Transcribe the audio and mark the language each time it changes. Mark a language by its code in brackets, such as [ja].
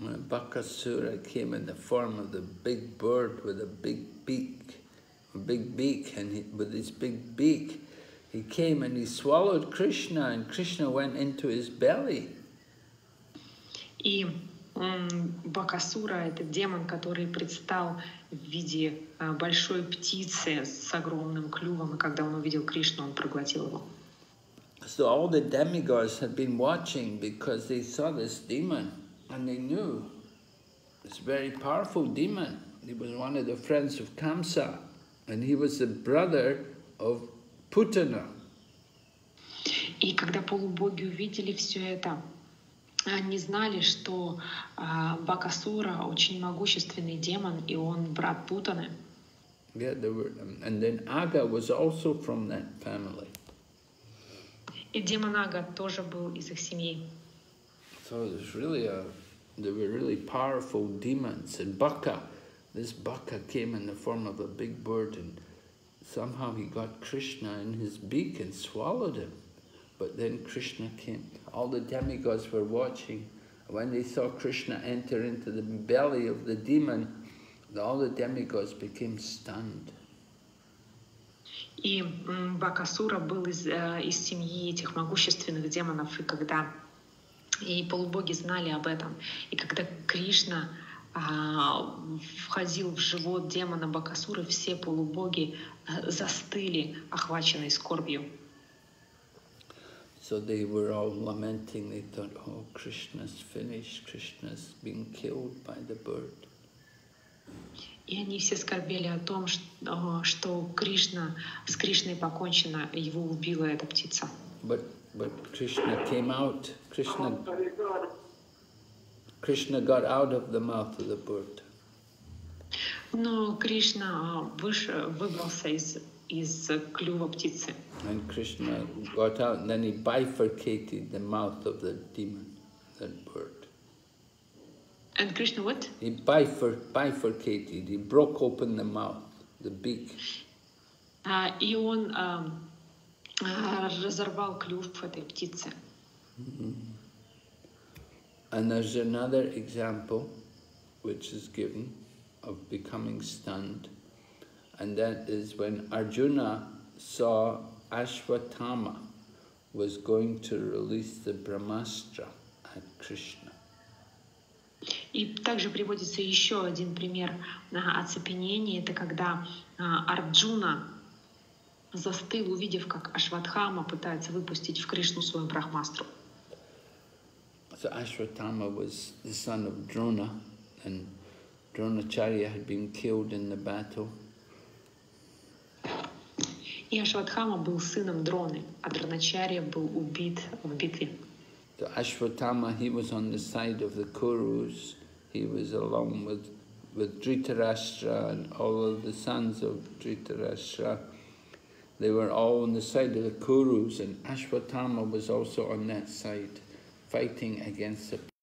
[en] Бакасура came in the form of the big bird with a big beak, and he, with his big beak, he came and he swallowed Krishna, and Krishna went into his belly. [ru] И Бакасура — это демон, который предстал в виде большой птицы с огромным клювом, и когда он увидел Кришну, он проглотил его. [en] So all the demigods had been watching because they saw this demon, and they knew it's a very powerful demon. He was one of the friends of Kamsa, and he was the brother of Putana. [ru] И когда полубоги увидели все это, они знали, что Бакасура очень могущественный демон, и он брат Путаны. [en] Yeah, they were, and then Ага was also from that family. [ru] И демон Ага тоже был из их семьи. [en] So there's really they were really powerful demons, and Baka, this Baka came in the form of a big bird, and somehow he got Krishna in his beak and swallowed him. But then Krishna came. All the demigods were watching. When they saw Krishna enter into the belly of the demon, all the demigods became stunned. [ru] И Бакасура был из семьи этих могущественных демонов, и когда и полубоги знали об этом, и когда Кришна входил в живот демона Бакасуры, все полубоги застыли, охваченные скорбью. [en] So they were all lamenting. They thought, "Oh, Krishna's finished. Krishna's been killed by the bird." [ru] И они все скорбели о том, что Кришна, с Кришной покончено, его убила эта птица. [en] But Krishna came out. Krishna got out of the mouth of the bird. [ru] Но Кришна выбрался из клюва птицы. [en] And Krishna got out, and then he bifurcated the mouth of the demon, that bird. And Krishna what? He bifurcated, he broke open the mouth, the beak. [ru] И он разорвал клюв этой птицы. Mm-hmm. [en] And there's another example which is given of becoming stunned, and that is when Arjuna saw Ashwatthama was going to release the Brahmastra at Krishna. [ru] И также приводится еще один пример оцепенения. Это когда Арджуна застыл, увидев, как Ашватхама пытается выпустить в Кришну свою Брахмастру. [en] So Ashwatthama was the son of Drona, and Dronacharya had been killed in the battle. [ru] И Ашватхама был сыном Дроны, а Дроначарья был убит в битве. [en] So Ашватхама, he was on the side of the Kurus. He was along with Dhritarashtra and all of the sons of Dhritarashtra. They were all on the side of the Kurus, and Ашватхама was also on that side, fighting against the...